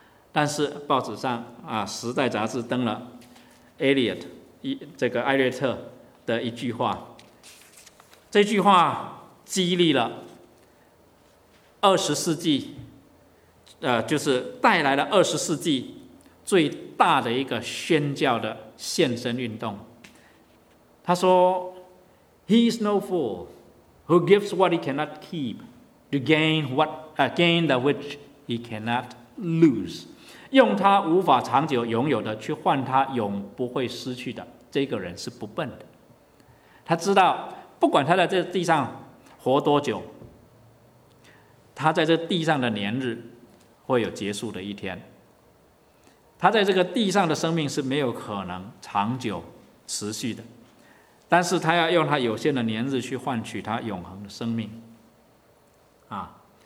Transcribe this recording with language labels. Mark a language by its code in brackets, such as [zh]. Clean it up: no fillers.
[zh] 但是报纸上啊，《时代》杂志登了 Elliot 这个艾略特的一句话，这句话激励了20世纪，就是带来了20世纪最大的一个宣教的献身运动。他说 [en] ：“He is no fool who gives what he cannot keep to gain what gain the which he cannot lose。” [zh] 用他无法长久拥有的去换他永不会失去的，这个人是不笨的。他知道，不管他在这地上活多久，他在这地上的年日会有结束的一天，他在这个地上的生命是没有可能长久持续的，但是他要用他有限的年日去换取他永恒的生命啊！